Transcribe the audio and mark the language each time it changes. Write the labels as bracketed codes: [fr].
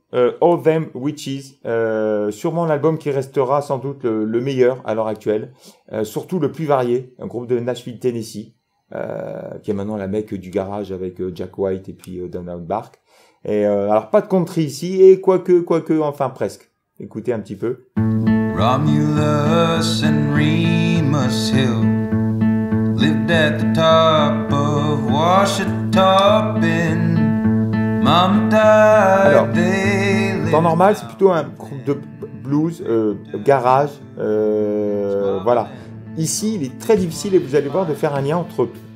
[fr] All Them Witches, sûrement l'album qui restera sans doute le meilleur à l'heure actuelle, surtout le plus varié, un groupe de Nashville, Tennessee, qui est maintenant la mecque du garage avec Jack White et puis Donald Bark. Et alors pas de country ici, et quoique, enfin presque. Écoutez un petit peu. [en] Romulus and Remus Hill lived at the top of Washita Bend. [fr] Alors, temps normal, c'est plutôt un groupe de blues, garage, voilà. Ici, il est très difficile, et vous allez voir, de faire un lien entre